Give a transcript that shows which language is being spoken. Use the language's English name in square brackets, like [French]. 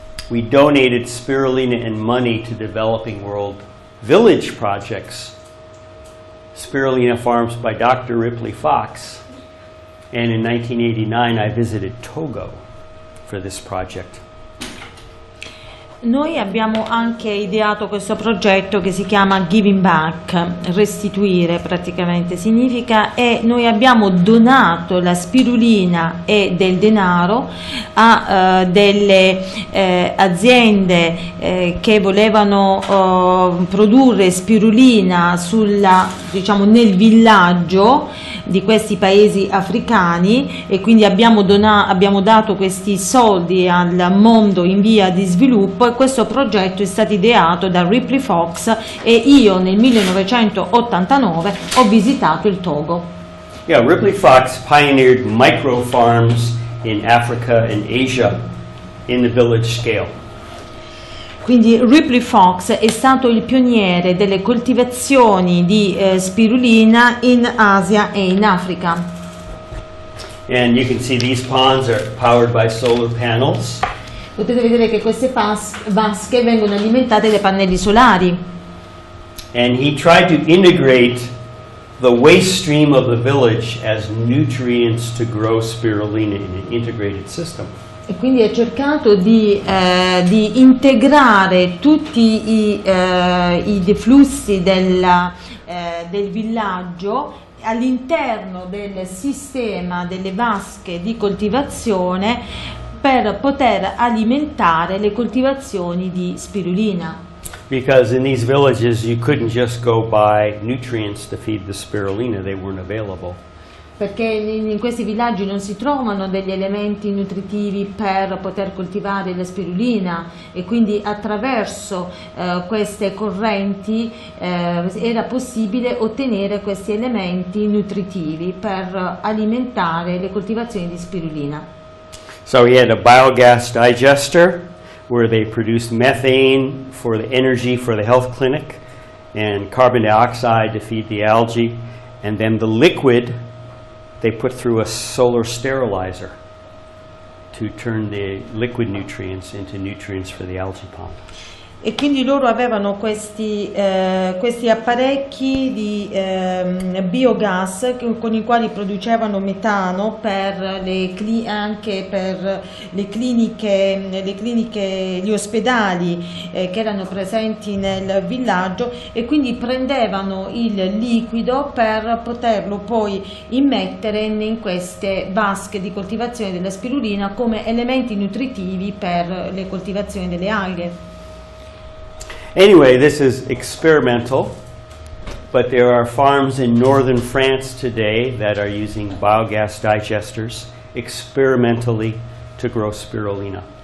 [English] We donated spirulina and money to Developing World Village projects, Spirulina Farms by Dr. Ripley Fox, and in 1989 I visited Togo for this project. [Italian] Noi abbiamo anche ideato questo progetto che si chiama Giving Back, restituire praticamente significa, e noi abbiamo donato la spirulina e del denaro a delle aziende che volevano produrre spirulina sulla, diciamo, nel villaggio di questi paesi africani, e quindi abbiamo dato questi soldi al mondo in via di sviluppo. Questo progetto è stato ideato da Ripley Fox e io nel 1989 ho visitato il Togo. [English] Yeah, Ripley Fox pioneered micro farms in Africa and Asia in the village scale. [Italian] Quindi Ripley Fox è stato il pioniere delle coltivazioni di spirulina in Asia e in Africa. [English] And you can see these ponds are powered by solar panels. [Italian] Potete vedere che queste vasche vengono alimentate dai pannelli solari. [English] And he tried to integrate the waste stream of the village as nutrients to grow spirulina in an integrated system. [Italian] E quindi ha cercato di integrare tutti i deflussi del villaggio all'interno del sistema delle vasche di coltivazione per poter alimentare le coltivazioni di spirulina. [English] Because in these villages you couldn't just go buy nutrients to feed the spirulina, they weren't available. [Italian] Perché in questi villaggi non si trovano degli elementi nutritivi per poter coltivare la spirulina, e quindi attraverso queste correnti era possibile ottenere questi elementi nutritivi per alimentare le coltivazioni di spirulina. [English] So he had a biogas digester where they produced methane for the energy for the health clinic and carbon dioxide to feed the algae, and then the liquid they put through a solar sterilizer to turn the liquid nutrients into nutrients for the algae pond. [Italian] E quindi loro avevano questi apparecchi di biogas con i quali producevano metano per le cliniche, gli ospedali che erano presenti nel villaggio, e quindi prendevano il liquido per poterlo poi immettere in queste vasche di coltivazione della spirulina come elementi nutritivi per le coltivazioni delle alghe. [English] Anyway, this is experimental, but there are farms in northern France today that are using biogas digesters experimentally to grow spirulina.